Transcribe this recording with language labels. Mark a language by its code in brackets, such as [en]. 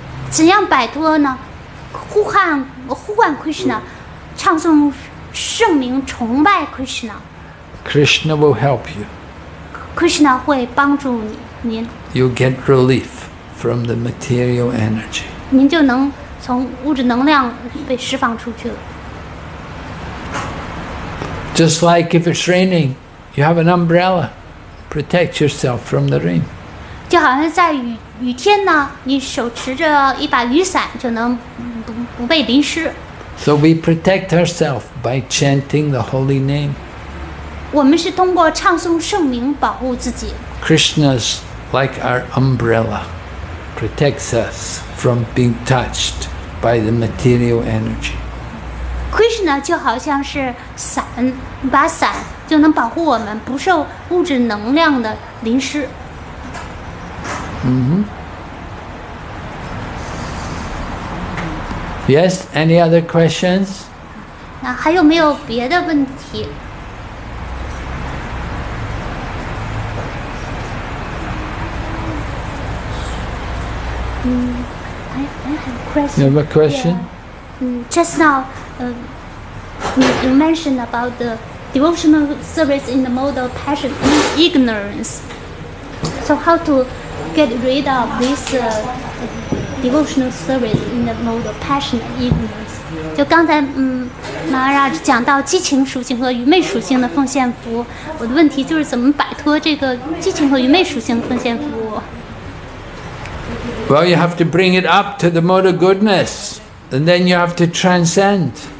[zh] 怎样摆脱呢？呼唤 Krishna, 唱诵圣名，崇拜 Krishna. [en] Krishna will help you. [zh] Krishna 会帮助你，您。 [en] You get relief from the material energy. [zh] 您就能从物质能量被释放出去了。 [en] Just like if it's raining, you have an umbrella. Protect yourself from the rain. [zh] 就好像在雨天呢，你手持着一把雨伞，就能不被淋湿。 [en] So we protect ourselves by chanting the holy name. [zh] 我们是通过唱诵圣名保护自己。 [en] Krishna's like our umbrella, protects us from being touched by the material energy. [zh] Krishna 就好像是伞，把伞。就能保护我们不受物质能量的淋湿。 [en] Yes, any other questions? [zh] 那还有没有别的问题？ [en] You have a question? Just now, you mentioned about the. Devotional service in the mode of passion and ignorance. So how to get rid of this devotional service in the mode of passion and ignorance? [zh] 就刚才Maharaj 讲到激情属性和愚昧属性的奉献服务，我的问题就是怎么摆脱这个激情和愚昧属性的奉献服务。 [en] Well, you have to bring it up to the mode of goodness, and then you have to transcend.